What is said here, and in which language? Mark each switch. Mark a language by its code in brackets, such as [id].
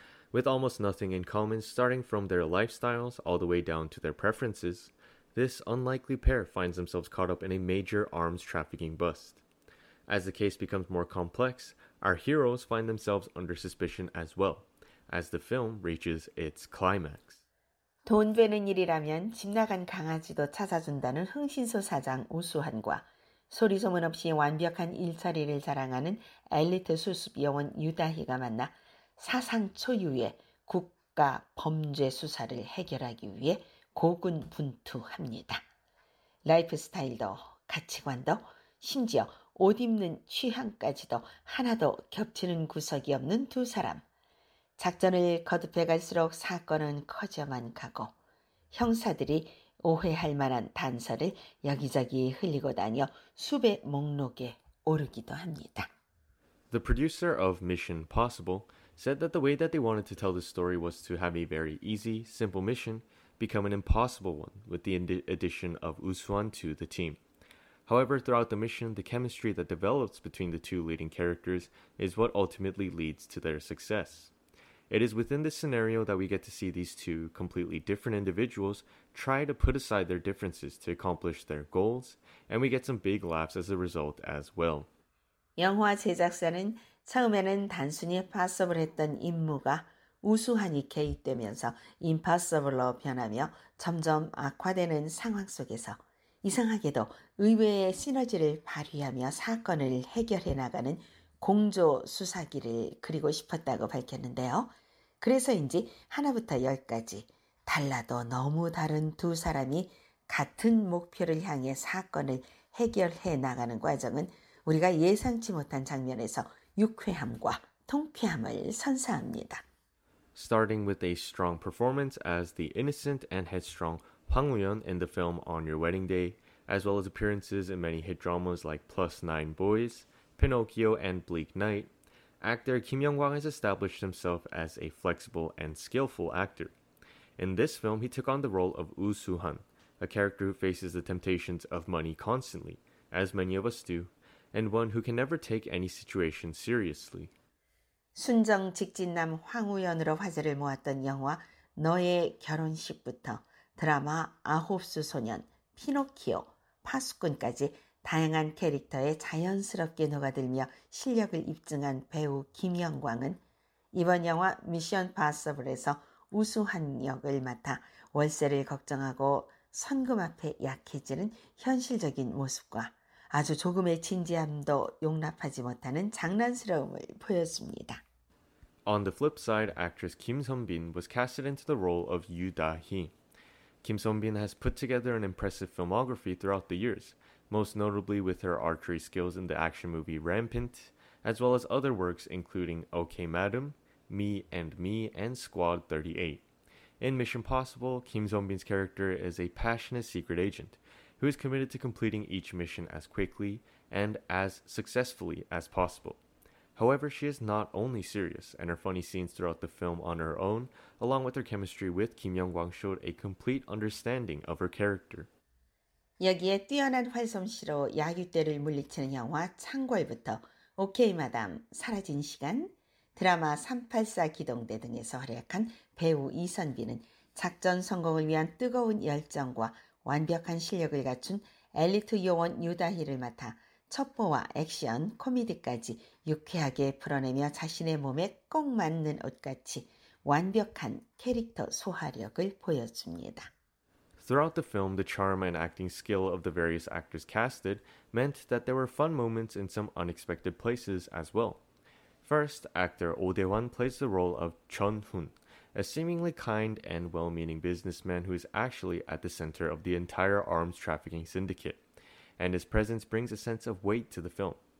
[en] With almost nothing in common, starting from their lifestyles all the way down to their preferences, this unlikely pair finds themselves caught up in a major arms trafficking bust. As the case becomes more complex, our heroes find themselves under suspicion as well, as the film reaches its climax. [ko] 돈 되는 일이라면 집 나간 강아지도 찾아준다는 흥신소 사장 우수한과 소리소문 없이 완벽한 일처리를 자랑하는 엘리트 수습 요원 유다희가 만나 사상 초유의 국가 범죄 수사를 해결하기 위해 고군분투합니다. 라이프 스타일도 가치관도 심지어 옷 입는 취향까지도 하나도 겹치는 구석이 없는 두 사람. 작전을 거듭해갈수록 사건은 커져만 가고 형사들이 오해할 만한 단서를 여기저기 흘리고 다녀 수배 목록에 오르기도 합니다. [en] The producer of Mission Possible said that the way that they wanted to tell the story was to have a very easy, simple mission become an impossible one with the addition of Woo Soo-hun to the team. However, throughout the mission, the chemistry that develops between the two leading characters is what ultimately leads to their success. It is within this scenario that we get to see these two completely different individuals try to put aside their differences to accomplish their goals, and we get some big laughs as a result as well. [ko] 영화 제작사는 처음에는 단순히 파서블했던 임무가 우수한이 개입되면서 임파서블로 변하며 점점 악화되는 상황 속에서 이상하게도 의외의 시너지를 발휘하며 사건을 해결해 나가는 공조 수사기를 그리고 싶었다고 밝혔는데요. 그래서인지 하나부터 열까지 달라도 너무 다른 두 사람이 같은 목표를 향해 사건을 해결해 나가는 과정은 우리가 예상치 못한 장면에서 유쾌함과 통쾌함을 선사합니다. [en] Starting with a strong performance as the innocent and headstrong Hwang Woo-yeon in the film On Your Wedding Day, as well as appearances in many hit dramas like Plus Nine Boys, Pinocchio, and Bleak Night, actor Kim Young-kwang has established himself as a flexible and skillful actor. In this film, he took on the role of Woo Soo-hun, a character who faces the temptations of money constantly, as many of us do, and one who can never take any situation seriously. [ko] 순정 직진남 황우연으로 화제를 모았던 영화 너의 결혼식부터 드라마 아홉수 소년, 피노키오, 파수꾼까지 다양한 캐릭터에 자연스럽게 녹아들며 실력을 입증한 배우 김영광은 이번 영화 미션 파서블에서 우수한 역을 맡아 월세를 걱정하고 선금 앞에 약해지는 현실적인 모습과 아주 조금의 진지함도 용납하지 못하는 장난스러움을 보였습니다. [en] On the flip side, actress Kim Seon-bin was casted into the role of Yoo Da-hee. Kim Seon-bin has put together an impressive filmography throughout the years, most notably with her archery skills in the action movie Rampant, as well as other works including OK Madam, Me and Me, and Squad 38. In Mission Possible, Kim Seon-bin's character is a passionate secret agent, who is committed to completing each mission as quickly and as successfully as possible. However, she is not only serious, and her funny scenes throughout the film on her own, along with her chemistry with Kim Young-kwang, showed a complete understanding of her character. [ko] 여기에 뛰어난 활솜씨로 야유대를 물리치는 영화 창궐부터 오케이 마담, 사라진 시간, 드라마 384 기동대 등에서 활약한 배우 이선비는 작전 성공을 위한 뜨거운 열정과 완벽한 실력을 갖춘 엘리트 요원 유다희를 맡아 첩보와 액션, 코미디까지 유쾌하게 풀어내며 자신의 몸에 꼭 맞는 옷같이 완벽한 캐릭터 소화력을 보여줍니다. [en] Throughout the film, the charm and acting skill of the various actors casted meant that there were fun moments in some unexpected places as well. First, actor Oh Dae-hwan plays the role of Chun Hoon, a seemingly kind and well-meaning businessman who is actually at the center of the entire arms trafficking syndicate, and his presence brings a sense of weight to the film.